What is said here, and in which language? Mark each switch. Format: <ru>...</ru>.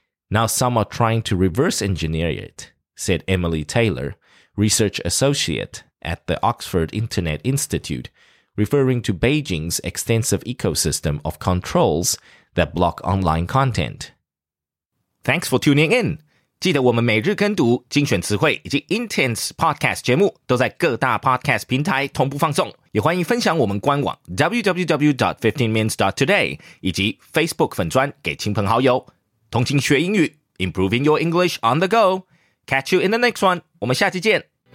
<en>Now some are trying to reverse engineer it, said Emily Taylor. Research associate at the Oxford Internet Institute, referring to Beijing's extensive ecosystem of controls that block online content. Thanks for tuning in.</en> <zh>记得我们每日跟读精选词汇以及 Intense Podcast 节目都在各大 Podcast 平台同步放送。也欢迎分享我们官网 www.15mins.today 以及 Facebook 粉专给亲朋好友。同情学英语 ，</zh> <en>Improving your English on the go.Catch you in the next one.</en> <zh>我们下期见。</zh>